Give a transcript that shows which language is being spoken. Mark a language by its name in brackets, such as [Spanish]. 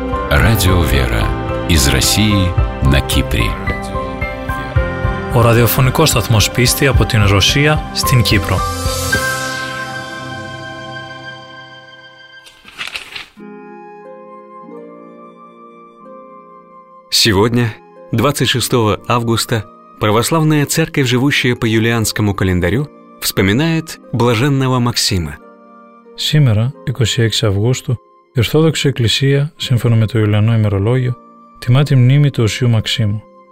[Russian] Радио «Вера» из России на Кипре. [Greek] Ο ραδιοφωνικός σταθμός πίστη από την Ρωσία στην Κύπρο. [Russian] Сегодня, 26 августа, православная церковь, живущая по юлианскому календарю, вспоминает блаженного Максима. Сегодня, 26 августа, [Greek] η Ορθόδοξη Εκκλησία, σύμφωνα με το Ιουλιανό ημερολόγιο, τιμά τη μνήμη του Οσίου Μαξίμου.